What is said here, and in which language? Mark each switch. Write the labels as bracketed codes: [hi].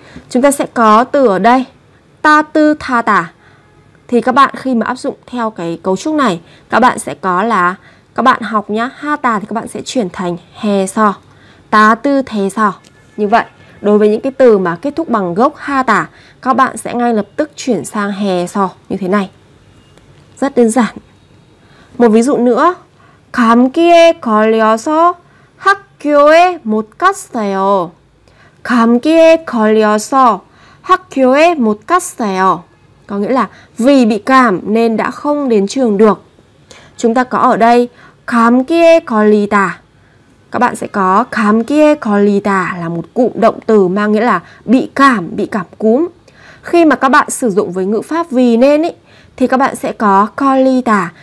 [vi] Chúng ta sẽ có từ ở đây [ko] 따뜻하다. [vi] Thì các bạn khi mà áp dụng theo cái cấu trúc này, các bạn sẽ có là, các bạn học nhá, 하다 thì các bạn sẽ chuyển thành [ko] 해서, 따뜻해서. [vi] Như vậy đối với những cái từ mà kết thúc bằng gốc 하다, các bạn sẽ ngay lập tức chuyển sang [ko] 해서 [vi] như thế này. Rất đơn giản. Một ví dụ nữa, [ko] 감기에 걸려서 학교에 못 갔어요. 감기에 걸려서 학교에 못 갔어요. [vi] Có nghĩa là vì bị cảm nên đã không đến trường được. Chúng ta có ở đây [ko] 감기에 걸리다. [vi] Các bạn sẽ có 감기에 걸리다 là một cụm động từ mang nghĩa là bị cảm cúm. Khi mà các bạn sử dụng với ngữ pháp vì nên ý, thì các bạn sẽ có [ko] 걸리다.